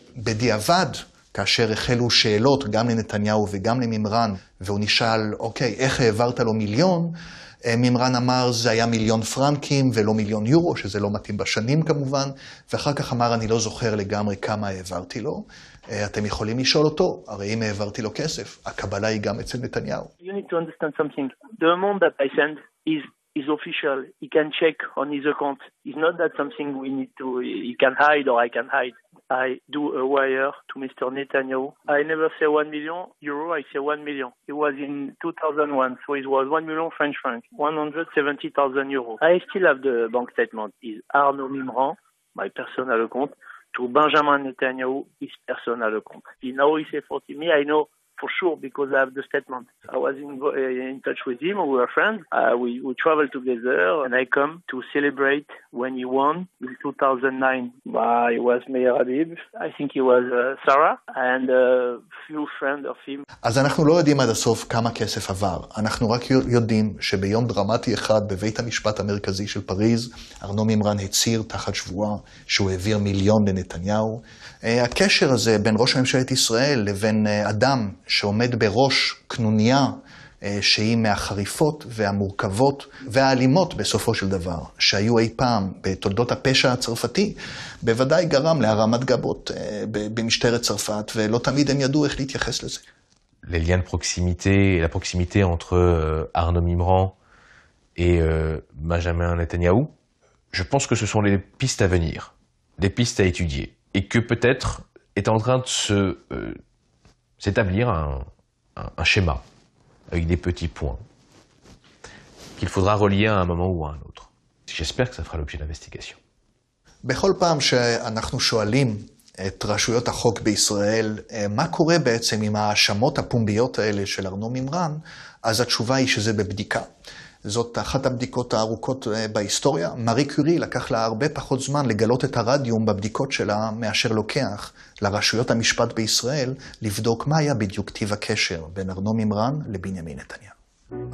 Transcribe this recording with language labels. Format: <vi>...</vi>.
<he>בדיעבד, כאשר החלו שאלות גם לנתניהו וגם למימרן, והוא נשאל, אוקיי, איך העברת לו מיליון? מימרן אמר, זה היה מיליון פרנקים ולא מיליון יורו, שזה לא מתאים בשנים כמובן, ואחר כך אמר, אני לא זוכר לגמרי כמה העברתי לו. אתם יכולים לשאול אותו, הרי אם העברתי לו כסף, הקבלה היא גם אצל נתניהו.</he> <en>You need to understand something. The amount that I send is official, he can check on his account. It's not that something we need to, he can hide or I can hide. I do a wire to Mr. Netanyahu. I never say 1 million euro, I say 1 million. It was in 2001, so it was 1 million French francs, 170,000 euros. I still have the bank statement. It's Arnaud Mimran, my personal account, to Benjamin Netanyahu, his personal account. He now he say 40 million, I know. For sure, because I have the statement. I was in touch with him, we were friends. We traveled together, and I come to celebrate when he won in 2009. It was Meir Habib, I think he was Sarah, and a few friends of him.</en> <he>אז אנחנו לא יודעים עד הסוף כמה כסף עבר. אנחנו רק יודעים שביום דרמטי אחד בבית המשפט המרכזי של פריז, ארנו מימרן הצהיר תחת שבועה שהוא העביר מיליון לנתניהו. הקשר הזה בין ראש הממשלת ישראל לבין אדם שעומד בראש כנוניה שהיא מהחריפות והמורכבות והאלימות בסופו של דבר, שהיו אי פעם בתולדות הפשע הצרפתי, בוודאי גרם להרמת גבות במשטרת צרפת, ולא תמיד הם ידעו איך להתייחס לזה.</he> <fr>לליין פרוקסימיטי, la proximité entre Arnaud Mimran et Benjamin Netanyahu, je pense que ce sont les pistes à venir, des pistes à étudier, et que peut-être est en train de se... s'établir un schéma avec des petits points qu'il faudra relier à un moment ou à un autre. J'espère que ça fera l'objet d'investigation.</fr> <he>בכל פעם שאנחנו שואלים את רשויות החוק בישראל, מה קורה בעצם עם האשמות הפומביות האלה של ארנו מימרן, אז התשובה היא שזה בבדיקה. זאת אחת הבדיקות הארוכות בהיסטוריה. מארי קורי לקח לה הרבה פחות זמן לגלות את הרדיום בבדיקות שלה מאשר לוקח לרשויות המשפט בישראל לבדוק מה היה בדיוק טיב הקשר בין ארנו מימרן לבנימין נתניהו.</he>